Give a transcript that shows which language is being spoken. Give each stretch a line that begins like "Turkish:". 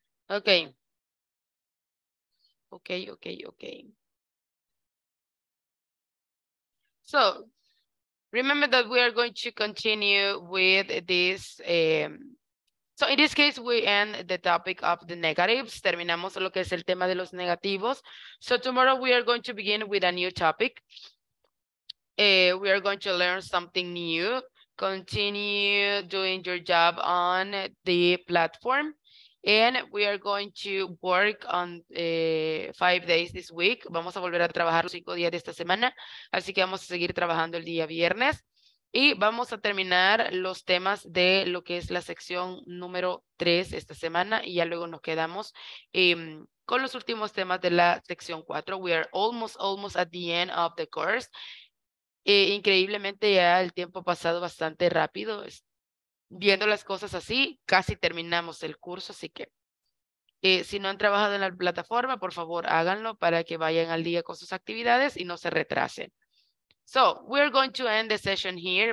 English: Okay. Okay. So, remember that we are going to continue with this. So, in this case, we end the topic of the negatives.
Spanish: Terminamos lo que es el tema de los negativos.
English: So, tomorrow we are going to begin with a new topic. We are going to learn something new. Continue doing your job on the platform, and we are going to work on 5 days this week.
Spanish: Vamos a volver a trabajar 5 días de esta semana, así que vamos a seguir trabajando el día viernes y vamos a terminar los temas de lo que es la sección número 3 esta semana, y ya luego nos quedamos con los últimos temas de la sección 4.
English: We are almost at the end of the course.
Spanish: Increíblemente ya el tiempo ha pasado bastante rápido. Viendo las cosas así, casi terminamos el curso, así que si no han trabajado en la plataforma, por favor háganlo para que vayan al día con sus actividades y no se retrasen.
English: So, we're going to end the session here.